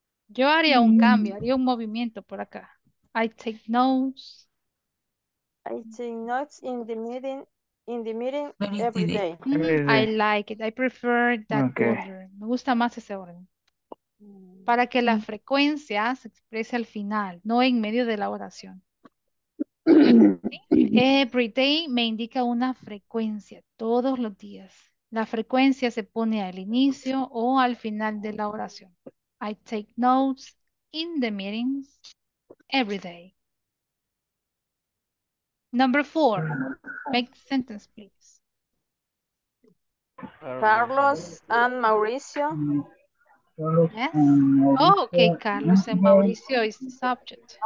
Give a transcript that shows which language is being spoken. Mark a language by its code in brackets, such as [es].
[es] Yo haría un cambio, haría un movimiento por acá. [en] I take notes in the meeting every day. Mm-hmm. I like it. I prefer that order. [es] Me gusta más ese orden. Para que la frecuencia se exprese al final, no en medio de la oración. Every day me indica una frecuencia, todos los días. La frecuencia se pone al inicio o al final de la oración. [en] I take notes in the meetings every day. Number four, make the sentence, please. Carlos and Mauricio. Yes. Oh, okay, Carlos and Mauricio is the subject.